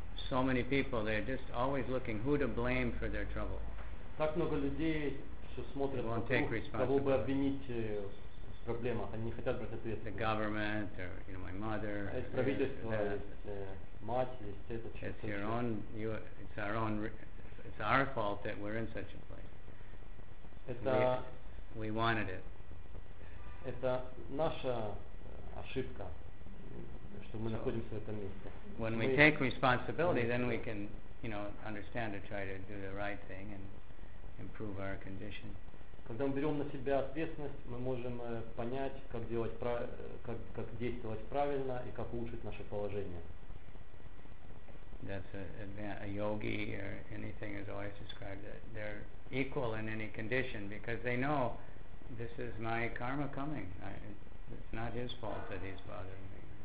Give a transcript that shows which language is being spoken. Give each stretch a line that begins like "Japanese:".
English: So many people, they're just always looking who to blame for their trouble.
Russian: Так много людей смотрят на того, кого бы обвинить в проблемах. Они не хотят брать ответственность.
English: The government, or, you know, my mother,
Russian: есть правительство,
English: that.
Russian: Есть мать, есть это.
English: It's your own, it's our own, it's our fault that we're in such a place.
Russian: Это
English: we wanted it.
Russian: Это наша ошибка, что мы находимся в этом месте.
English: When we take responsibility, then we can, you know, understand to try to do the right thing and improve our condition.
Russian: Когда мы берем на себя ответственность, мы можем понять, как делать как действовать правильно и как улучшить наше положение.
English: That's a yogi or anything is always described that they're equal in any condition because they know this is my karma coming. It's not his fault that he's bothering me.